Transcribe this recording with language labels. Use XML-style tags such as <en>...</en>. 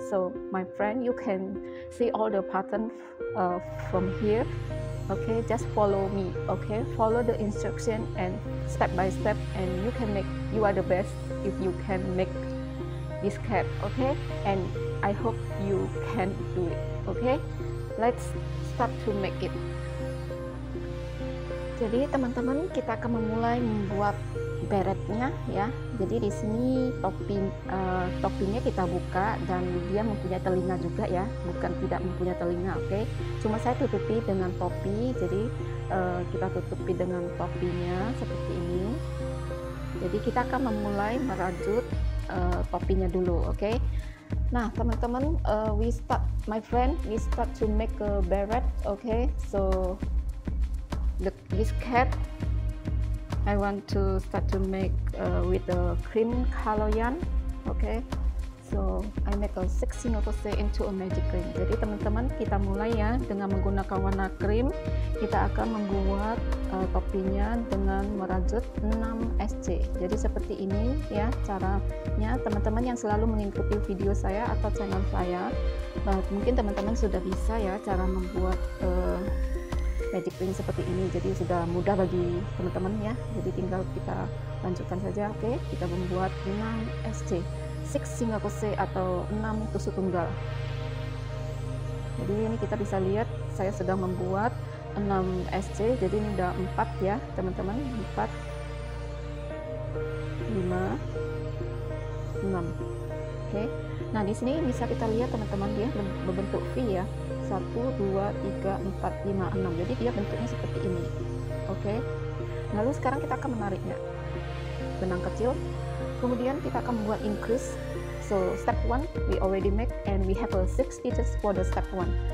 <en>So my friend, you can see all the pattern from here. Okay, just follow me. Okay, follow the instruction and step by step, and you can make. You are the best if you can make this cap. Okay, and I hope you can do it. Okay, let's start to make it.</en> <id>Jadi teman-teman, kita akan memulai membuat beretnya ya. Jadi di sini topinya kita buka, dan dia mempunyai telinga juga ya, bukan tidak mempunyai telinga, oke. Cuma saya tutupi dengan topi, jadi kita tutupi dengan topinya seperti ini. Jadi kita akan memulai merajut topinya dulu, oke. Nah teman-teman,</id> <en>we start to make a beret, oke. So this cat, I want to start to make with the cream color yarn, okay. So I make a 16 crochet into a magic ring.</en> <id>Jadi teman-teman, kita mulai ya dengan menggunakan warna cream. Kita akan membuat topinya dengan merajut 6 SC. Jadi seperti ini ya caranya. Teman-teman yang selalu mengikuti video saya atau channel saya, mungkin teman-teman sudah bisa ya cara membuat magic ring seperti ini. Jadi sudah mudah bagi teman-teman ya, jadi tinggal kita lanjutkan saja. Oke, kita membuat 6 SC, 6 single crochet atau 6 tusuk tunggal. Jadi ini kita bisa lihat saya sudah membuat 6 SC, jadi ini udah 4 ya teman-teman, 4, 5, 6. Oke, nah di sini bisa kita lihat teman-teman, dia berbentuk V ya, 1, 2, 3, 4, 5, 6. Jadi dia bentuknya seperti ini, oke. Lalu sekarang kita akan menariknya, benang kecil, kemudian kita akan membuat increase.</id> <en>So step 1 we already make, and we have a 6 stitches for the step 1.</en>